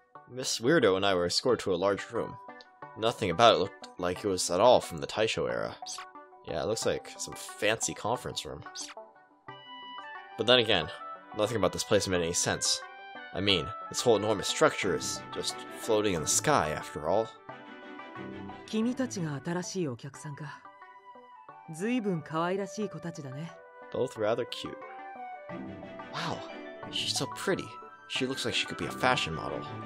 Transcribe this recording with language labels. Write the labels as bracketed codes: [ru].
[en] Miss WARUDO and I were escorted to a large room. Nothing about it looked like it was at all from the Taisho era. Yeah, it looks like some fancy conference room. But then again, nothing about this place made any sense. I mean, this whole enormous structure is just floating in the sky, after all. [ja] 君たちが新しいお客さんか。ずいぶん可愛らしい子たちだね。 [en] Both rather cute. Wow, she's so pretty. She looks like she could be a fashion model.